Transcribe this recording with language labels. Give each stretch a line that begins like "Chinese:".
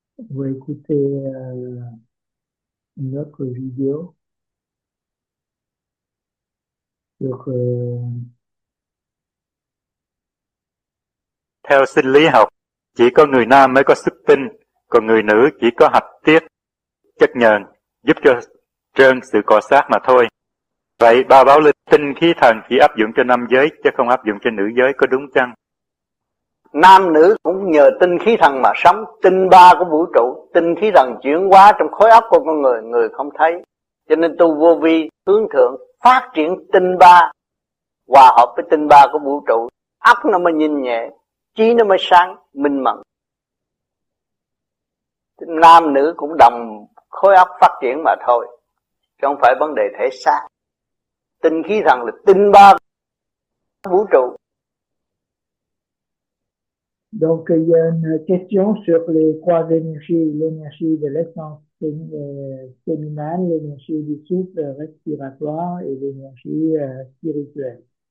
French: Vous écoutez une autre vidéo sur
Vietnamese: Theo sinh lý học, chỉ có người nam mới có xuất tinh, còn người nữ chỉ có hạch tiết chất nhờn giúp cho trơn sự cọ xát mà thôi. Vậy ba báo linh tinh khí thần chỉ áp dụng cho nam giới chứ không áp dụng cho nữ giới, có đúng chăng? nam nữ cũng nhờ tinh khí thần mà sống. Tinh ba của vũ trụ, tinh khí thần chuyển hóa trong khối óc của con người, người không thấy. Cho nên tu vô vi hướng thượng phát triển tinh ba, hòa hợp với tinh ba của vũ trụ, óc nó mới nhìn nhẹ, trí nó mới sáng minh mẫn. Nam nữ cũng đồng khối óc phát triển mà thôi, chứ không phải vấn đề thể xác. Tinh khí thần là tinh ba của vũ trụ.
French: Donc, il y a une question sur les trois énergies, l'énergie de l'essence féminine, l'énergie du souffle respiratoire et l'énergie spirituelle.